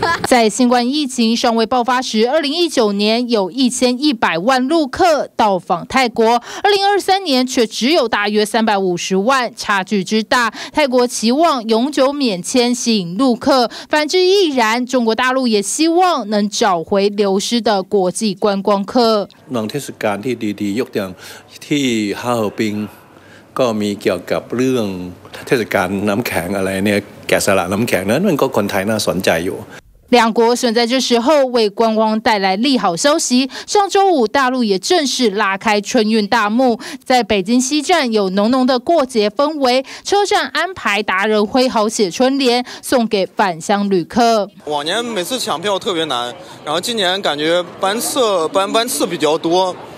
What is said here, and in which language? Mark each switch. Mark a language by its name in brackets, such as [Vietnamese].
[Chinese] 在新冠疫情尚未爆发时，2019年有1100万陆客到访泰国，2023年却只有大约350万，差距之大。泰国期望永久免签吸引陆客，反之亦然。中国大陆也希望能找回流失的国际观光客。两天时间，滴滴滴，约定去哈尔滨。 [Thai] ก็มีเกี่ยวกับเรื่องเทศกาลน้ำแข็งอะไรเนี่ยแกะสลักน้ำแข็งนั้นมันก็คนไทยน่าสนใจอยู่ [Chinese] 两国选在这时候为观光带来利好消息。上周五，大陆也正式拉开春运大幕，在北京西站有浓浓的过节氛围。车站安排达人挥毫写春联，送给返乡旅客。往年每次抢票特别难，然后今年感觉班次比较多。